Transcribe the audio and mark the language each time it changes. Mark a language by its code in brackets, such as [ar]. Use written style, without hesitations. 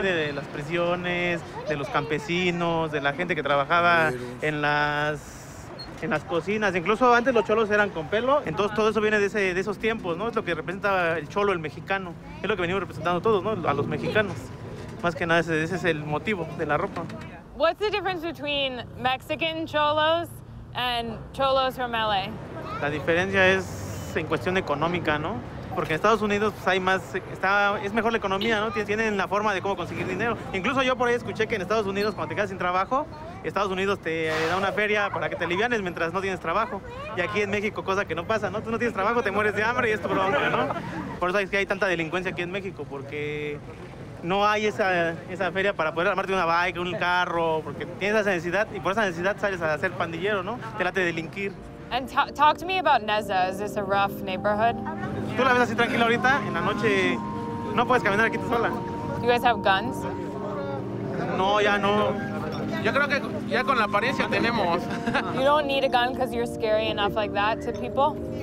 [es] De las prisiones, de los campesinos, de la gente que trabajaba en las cocinas. Incluso antes los cholos eran con pelo. Entonces todo eso viene de esos tiempos, ¿no? Es lo que representa el cholo, el mexicano. Es lo que venimos representando todos, ¿no? A los mexicanos. Más que nada ese es el motivo de la ropa. [en] What's the difference between Mexican cholos and cholos from LA? [es] La diferencia es en cuestión económica, ¿no? Porque en Estados Unidos pues, es mejor la economía, ¿no? Tienen la forma de cómo conseguir dinero. Incluso yo por ahí escuché que en Estados Unidos cuando te quedas sin trabajo, Estados Unidos te da una feria para que te alivianes mientras no tienes trabajo. Y aquí en México, cosa que no pasa, ¿no? Tú no tienes trabajo, te mueres de hambre y es tu bronca, ¿no? Por eso es que hay tanta delincuencia aquí en México, porque no hay esa feria para poder armarte una bike, un carro, porque tienes esa necesidad y por esa necesidad sales a ser pandillero, ¿no? Te late de delinquir. [en] And talk to me about Neza. Is this a rough neighborhood? [es] Tú la ves así tranquila ahorita, en la noche no puedes caminar aquí tú sola. [en] You guys have guns? [es] No, ya no. Yo creo que ya con la apariencia tenemos. [en] You don't need a gun because you're scary enough like that to people?